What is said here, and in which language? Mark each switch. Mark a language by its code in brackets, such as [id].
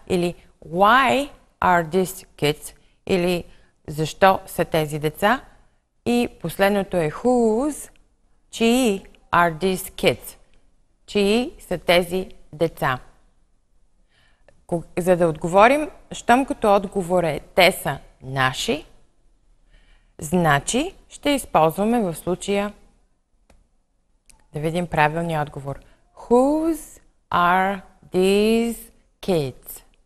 [bg] Или [en] why are these kids? [bg] Или защо са тези деца? И последното е [en] whose? [bg] Чии [en] are these kids? [bg] Чии са тези деца? За да отговорим, щом като отговор е те са наши, значи ще използваме в случая да видим правилния отговор. [en] Whose are these kids?